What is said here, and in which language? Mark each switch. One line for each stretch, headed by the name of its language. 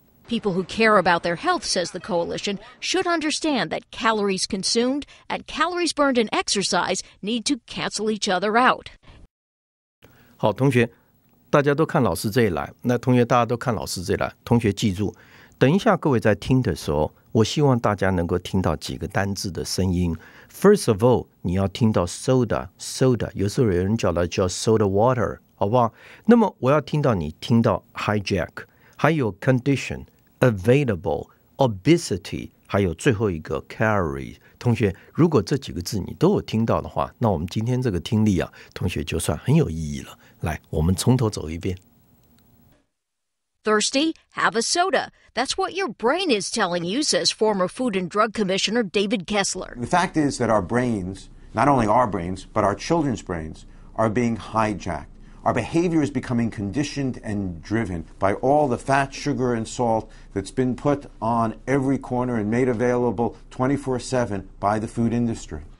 English: People who care about their health, says the coalition, should understand that calories consumed and calories burned in exercise need to cancel each other out.
Chinese: 好，同学，大家都看老师这一栏。那同学，大家都看老师这一栏。同学记住，等一下各位在听的时候，我希望大家能够听到几个单字的声音。
English: First of all,
Chinese: 你要听到 soda, 有时候有人叫它叫 soda water, 好不好？那么我要听到你听到 hijack。还有 condition, available, obesity, 还有最后一个 carry。同学如果这几个字你都有听到的话，那我们今天这个听力啊，同学就算很有意义了。来，我们从头走一遍。
English: Thirsty? Have a soda. That's what your brain is telling you, says former Food and Drug Commissioner David Kessler. The fact is that our brains, not only our brains, but our children's brains, are being hijacked. Our behavior is becoming conditioned and driven by all the fat, sugar, and salt that's been put on every corner and made available 24/7 by the food industry.